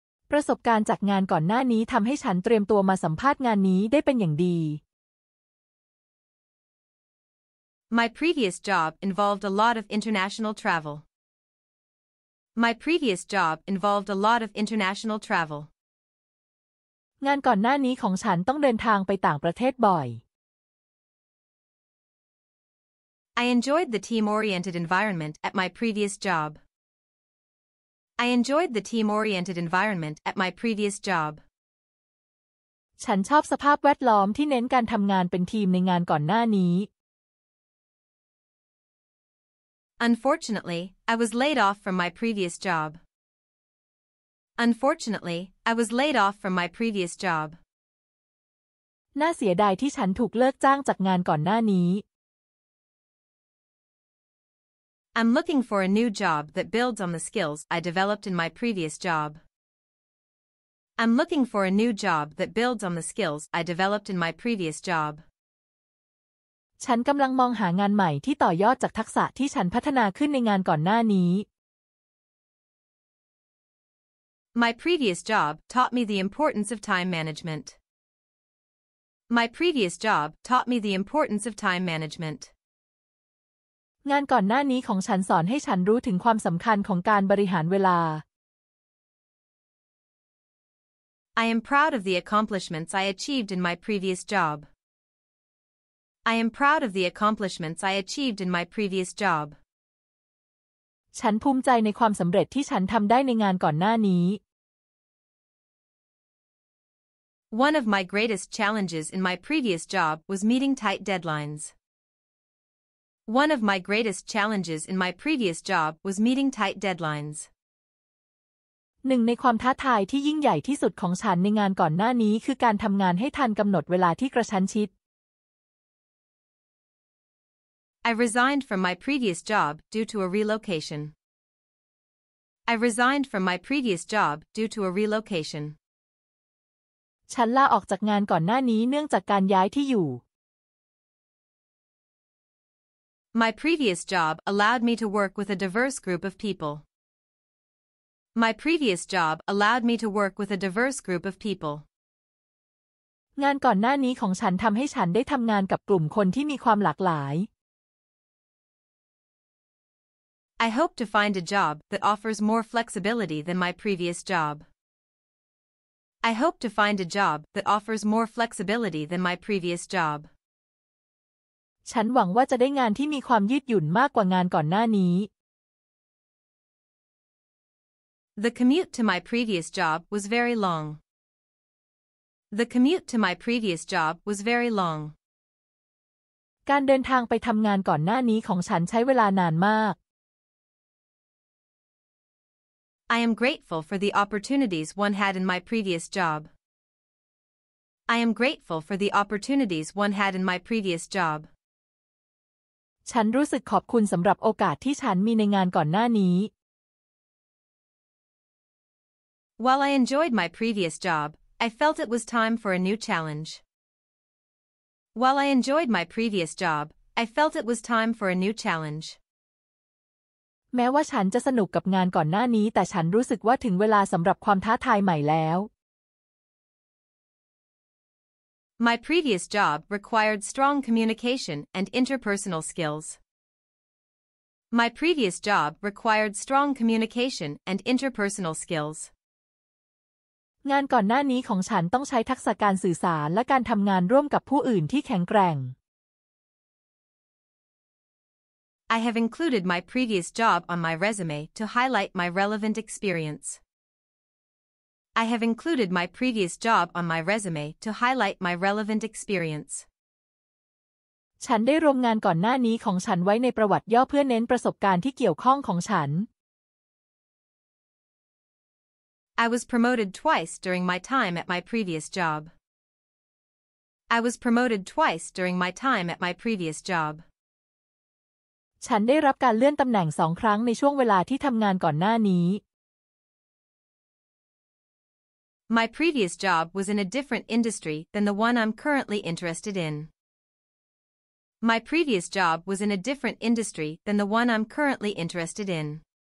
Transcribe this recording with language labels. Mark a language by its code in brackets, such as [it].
[th] ประสบการณ์จากงานก่อนหน้านี้ทำให้ฉันเตรียมตัวมาสัมภาษณ์งานนี้ได้เป็นอย่างดี [en] My previous job involved a lot of international travel. My previous job involved a lot of international travel. [th] งานก่อนหน้านี้ของฉันต้องเดินทางไปต่างประเทศบ่อย [en] I enjoyed the team-oriented environment at my previous job. I enjoyed the team-oriented environment at my previous job. [th] ฉันชอบสภาพแวดล้อมที่เน้นการทำงานเป็นทีมในงานก่อนหน้านี้ [en] Unfortunately, I was laid off from my previous job. Unfortunately, I was laid off from my previous job. [th] น่าเสียดายที่ฉันถูกเลิกจ้างจากงานก่อนหน้านี้ [en] I'm looking for a new job that builds on the skills I developed in my previous job. I'm looking for a new job that builds on the skills I developed in my previous job. [th] ฉันกำลังมองหางานใหม่ที่ต่อยอดจากทักษะที่ฉันพัฒนาขึ้นในงานก่อนหน้านี้ [en] My previous job taught me the importance of time management. My previous job taught me the importance of time management. [th] งานก่อนหน้านี้ของฉันสอนให้ฉันรู้ถึงความสำคัญของการบริหารเวลา [en] I am proud of the accomplishments I achieved in my previous job. I am proud of the accomplishments I achieved in my previous job. [th] ฉันภูมิใจในความสำเร็จที่ฉันทำได้ในงานก่อนหน้านี้ [en] One of my greatest challenges in my previous job was meeting tight deadlines. One of my greatest challenges in my previous job was meeting tight deadlines. [th] หนึ่งในความท้าทายที่ยิ่งใหญ่ที่สุดของฉันในงานก่อนหน้านี้คือการทำงานให้ทันกำหนดเวลาที่กระชั้นชิด [en] I resigned from my previous job due to a relocation. I resigned from my previous job due to a relocation. [th] ฉันลาออกจากงานก่อนหน้านี้เนื่องจากการย้ายที่อยู่ [en] My previous job allowed me to work with a diverse group of people. My previous job allowed me to work with a diverse group of people. [th] งานก่อนหน้านี้ของฉันทำให้ฉันได้ทำงานกับกลุ่มคนที่มีความหลากหลาย [en] I hope to find a job that offers more flexibility than my previous job. I hope to find a job that offers more flexibility than my previous job. [th] ฉันหวังว่าจะได้งานที่มีความยืดหยุ่นมากกว่างานก่อนหน้านี้ [en] The commute to my previous job was very long. The commute to my previous job was very long. [th] การเดินทางไปทำงานก่อนหน้านี้ของฉันใช้เวลานานมาก [en] I am grateful for the opportunities one had in my previous job. I am grateful for the opportunities one had in my previous job. [th] ฉันรู้สึกขอบคุณสำหรับโอกาสที่ฉันมีในงานก่อนหน้านี้ [en] While I enjoyed my previous job, I felt it was time for a new challenge. While I enjoyed my previous job, I felt it was time for a new challenge. [th] แม้ว่าฉันจะสนุกกับงานก่อนหน้านี้แต่ฉันรู้สึกว่าถึงเวลาสำหรับความท้าทายใหม่แล้ว [en] My previous job required strong communication and interpersonal skills. My previous job required strong communication and interpersonal skills. [th] งานก่อนหน้านี้ของฉันต้องใช้ทักษะการสื่อสารและการทำงานร่วมกับผู้อื่นที่แข็งแกร่ง [en] I have included my previous job on my resume to highlight my relevant experience. I have included my previous job on my resume to highlight my relevant experience. [th] ฉันได้รวมงานก่อนหน้านี้ของฉันไว้ในประวัติย่อเพื่อเน้นประสบการณ์ที่เกี่ยวข้องของฉัน [en] I was promoted twice during my time at my previous job. I was promoted twice during my time at my previous job. [th] ฉันได้รับการเลื่อนตำแหน่งสองครั้งในช่วงเวลาที่ทำงานก่อนหน้านี้ [en] My previous job was in a different industry than the one I'm currently interested in. My previous job was in a different industry than the one I'm currently interested in.